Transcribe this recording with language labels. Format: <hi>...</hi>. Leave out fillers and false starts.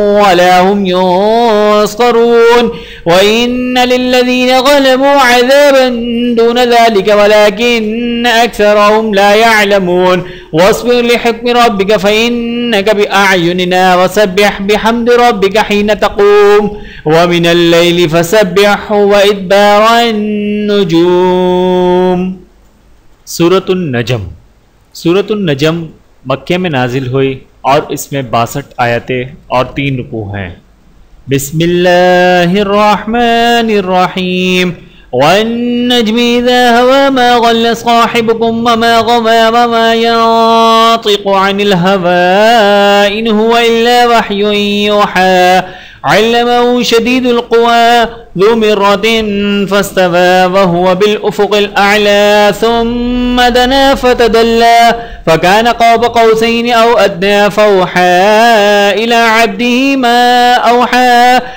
<ar>ولا هم ينصرون وإن للذين ظلموا عذابا دون ذلك ولكن أكثرهم لا يعلمون واصبر لحكم ربك فإنك بأعيننا وسبح بحمد ربك حين تقوم ومن الليل فسبح وإدبار النجوم</ar> <ur>سورة النجم سورة النجم مکہ میں نازل ہوئی اور اس میں 62 آیتیں اور 3 رکوع ہیں</ur> <ar>بسم اللہ الرحمن الرحیم والنجم اذا ہوا ما غل صاحبكم وما غوى وما ينطق عن الهوى ان هو الا وحی یوحى علمه شدید القوى ذو مرة فاستوى وهو بالأفق الأعلى ثم دنا فتدلى فكان قاب قوسين أو أدنى فأوحى إلى عبده ما أوحى</ar>